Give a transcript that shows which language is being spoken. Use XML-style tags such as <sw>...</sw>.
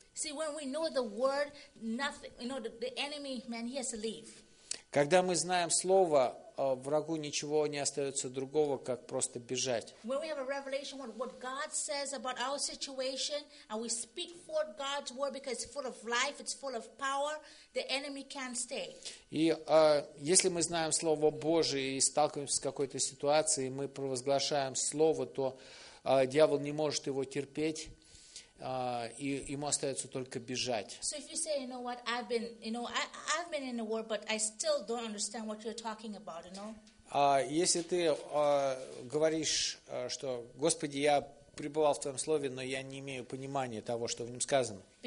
<en>See, when we know the word, nothing, you know, the enemy, man, he has to leave.</en> <ru>Когда мы знаем Слово, врагу ничего не остается другого, как просто бежать.</ru> <en>When we have a revelation of what God says about our situation, and we speak forth God's word because it's full of life, it's full of power, the enemy can't stay.</en> <ru>И если мы знаем Слово Божие и сталкиваемся с какой-то ситуацией, и мы провозглашаем Слово, то дьявол не может его терпеть. И ему остается только бежать.</ru> <en>So if you say, you know what, I've been in the war, but I still don't understand what you're talking about, you know?</en> <ru>Если ты говоришь, что «Господи, я пребывал в Твоем Слове, но я не имею понимания того, что в нем сказано».</ru>